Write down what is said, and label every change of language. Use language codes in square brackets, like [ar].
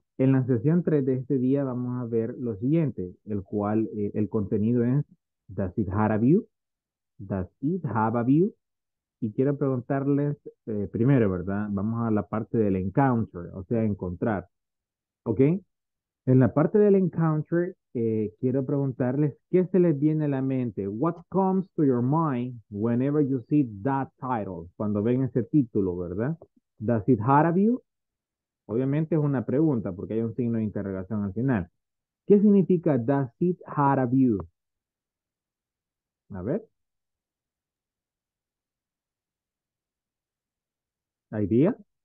[es] En la sesión 3 de este día vamos a ver lo siguiente, el cual el contenido es [en] Does it have a view? Does it have a view? [es] Y quiero preguntarles primero, ¿verdad? Vamos a la parte del encounter, o sea, encontrar. Okay. En la parte del encounter quiero preguntarles qué se les viene a la mente. [en] What comes to your mind whenever you see that title? [es] Cuando ven ese título, ¿verdad? [en] Does it have a view? [es] Obviamente es una pregunta porque hay un signo de interrogación al final. ¿Qué significa [en] does it have a view? [es] A ver. ¿Idea?